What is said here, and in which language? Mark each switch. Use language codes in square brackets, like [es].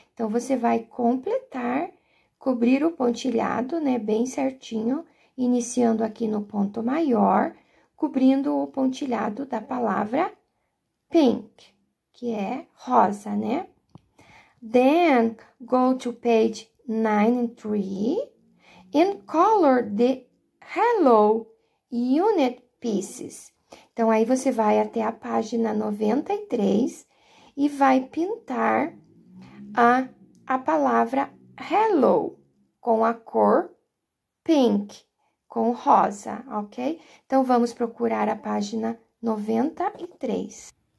[pt] Então, você vai completar, cobrir o pontilhado, né, bem certinho, iniciando aqui no ponto maior, cobrindo o pontilhado da palavra pink, que é rosa, né? [en] Then, go to page 9 and 3 in color the Hello Unit Pieces. [pt] Então, aí você vai até a página 93 e vai pintar a palavra Hello com a cor pink, com rosa, ok? Então, vamos procurar a página 93.